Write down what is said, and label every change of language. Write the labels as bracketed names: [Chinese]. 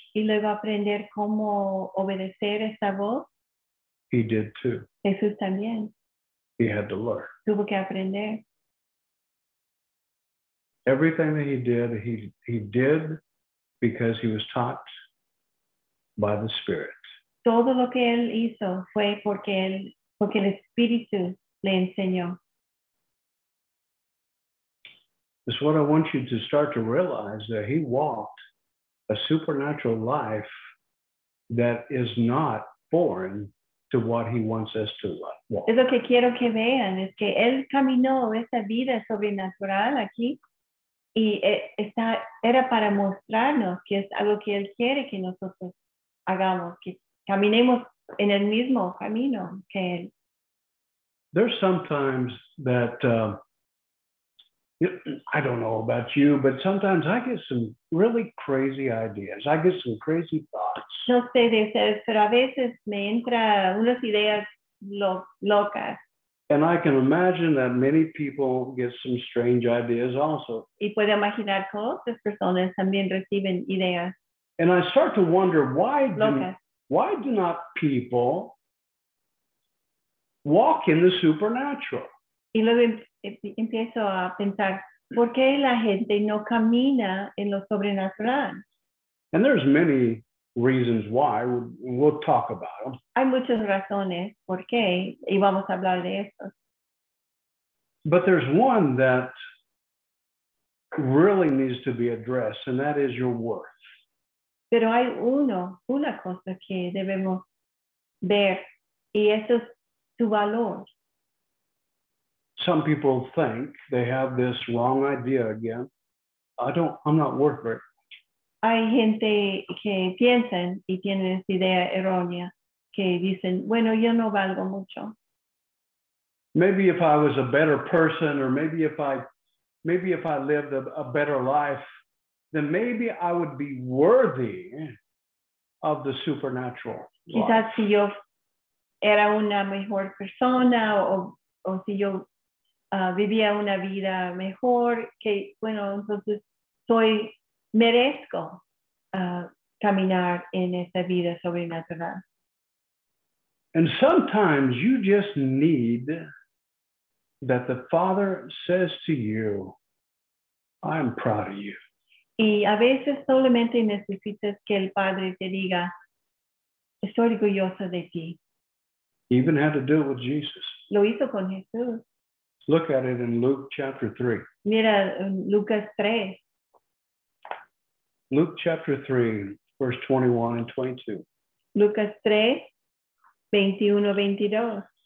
[Spanish] Y luego aprender cómo obedecer esa voz. [English] He did too. [Spanish] Jesús también. [English] He had to learn. [Spanish] Tuvo que aprender. [English] Everything that he did, he did because he was taught by the Spirit. [Spanish] Todo lo que él hizo fue porque el Espíritu le enseñó. [English] is what I want you to start to realize, that he walked a supernatural life that is not foreign to what he wants us to walk. [Spanish] Es lo que quiero que vean, es que él caminó esta vida sobrenatural aquí, y está, era para mostrarnos que es algo que él quiere que nosotros hagamos, que caminemos en el mismo camino que él. [English] There's sometimes that, I don't know about you, but sometimes I get some really crazy ideas. I get some crazy thoughts. [Spanish] No sé de ustedes, pero a veces me entra unas ideas locas. [English] And I can imagine that many people get some strange ideas also. [Spanish] Y puedo imaginar que otras personas también reciben ideas. [English] And I start to wonder, why do not people walk in the supernatural? [Spanish] Y luego empiezo a pensar, ¿por qué la gente no camina en lo sobrenatural? [English] And there's many reasons why. We'll talk about them. [Spanish] Hay muchas razones por qué, y vamos a hablar de eso. [English] But there's one that really needs to be addressed, and that is your worth. [Spanish] Pero hay una cosa que debemos ver, y eso es tu valor. [English] Some people think they have this wrong idea again. I'm not worth it. [Spanish] Hay gente que piensan y tienen esa idea errónea, que dicen, bueno, yo no valgo mucho. [English] Maybe if I was a better person, or maybe if I lived a better life, then maybe I would be worthy of the supernatural. [Spanish] Quizás [English] life. [Spanish] Si yo era una mejor persona, o si yo vivía una vida mejor, que bueno, entonces soy merezco caminar en esta vida sobrenatural. [English] And sometimes you just need that the Father says to you, I am proud of you. [Spanish] Y a veces solamente necesitas que el Padre te diga, estoy orgulloso de ti. [English] He even had to do it with Jesus. [Spanish] Lo hizo con Jesús. [English] Look at it in Luke chapter 3. [Spanish] Mira, Lucas 3. [English] Luke chapter 3, verse 21 and 22. [Spanish] Lucas 3, 21-22.